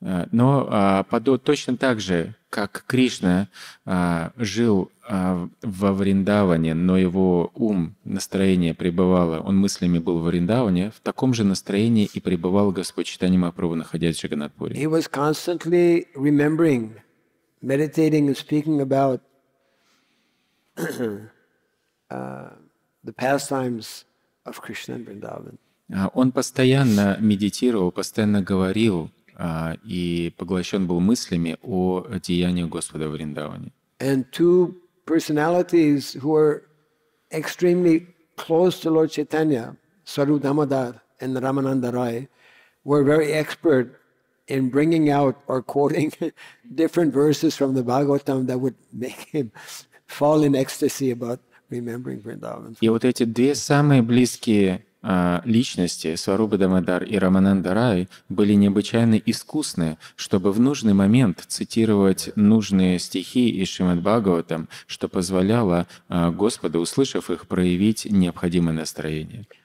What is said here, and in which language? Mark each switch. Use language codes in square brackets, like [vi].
[ru] Но точно так же, как Кришна жил во Вриндаване, но его ум, настроение пребывало, он мыслями был в Вриндаване, в таком же настроении и пребывал Господь Чайтанья Махапрабху, находясь в Джаганатпуре. [en] He was constantly remembering, meditating and speaking about the pastimes of Krishna and Vrindavan. [ru] Он постоянно медитировал, постоянно говорил, и поглощен был мыслями о деяниях Господа в Вриндаване. [en] And two personalities who are extremely close to Lord Chaitanya, Swarup Damodar and Ramananda Rai, were very expert in bringing out or quoting different verses from the Bhagavatam that would make him fall in ecstasy about remembering Vrindavan. [ru] И вот эти две самые близкие личности, Сварупа Дамодар и Рамананда Рай, были необычайно искусны, чтобы в нужный момент цитировать нужные стихи из Шримад Бхагаватам, что позволяло Господу, услышав их, проявить необходимое настроение.